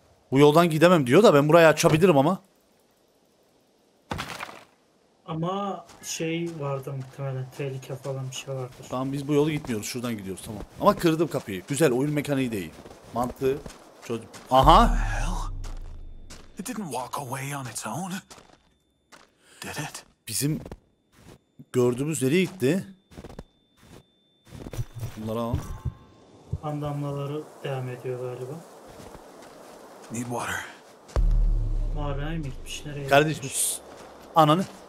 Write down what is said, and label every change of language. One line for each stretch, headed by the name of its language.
Turkish: Bu yoldan gidemem diyor da ben burayı açabilirim ama. Ama şey vardı muhtemelen tehlike falan bir şey vardır. Tamam biz bu yolu gitmiyoruz şuradan gidiyoruz tamam. Ama kırdım kapıyı. Güzel oyun mekaniği de iyi. Mantığı çözdüm. Aha.
English: It didn't walk away on its own. Did it?
Turkish: Bizim gördüğümüz nereye gitti? Bunlara alalım. Kan damlaları devam ediyor galiba.
English: Need water.
Turkish: Mağaraymış, nereye? Kardeşim. Ananı.